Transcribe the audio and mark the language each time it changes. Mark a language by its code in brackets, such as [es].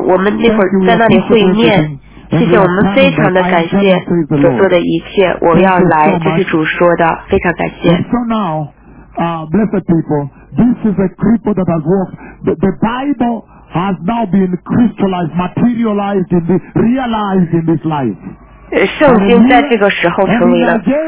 [zh] 我们那会儿在那里会面，谢谢，我们非常的感谢所做的一切。我要来，这是主说的，非常感谢。 [en] Blessed people, this is a cripple that has walked. The Bible has now been crystallized, materialized, in the, realized in this life. [zh] 圣经在这个时候成为了。